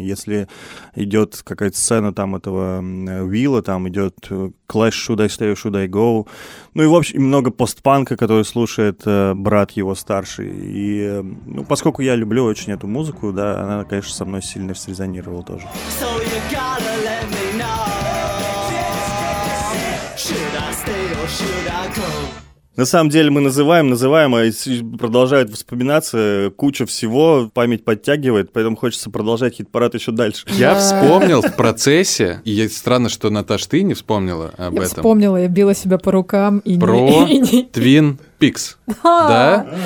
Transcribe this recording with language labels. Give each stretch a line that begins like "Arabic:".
Russian: Если идет какая-то сцена там этого Уилла, там идет Clash, Should I Stay or Should I Go. Ну и, в общем, много постпанка, который слушает брат его старший. И, ну, поскольку я люблю очень эту музыку, да, она, конечно, со мной сильно срезонировала тоже.
English: So you gotta let me know. Should I stay or should I go?
Russian: На самом деле мы называем, а продолжают вспоминаться куча всего, память подтягивает, поэтому хочется продолжать хит-парад еще дальше. Я вспомнил в процессе, и странно, что, Наташ, ты не вспомнила об этом. Я вспомнила, я била себя по рукам. И про Твин Пикс. Да?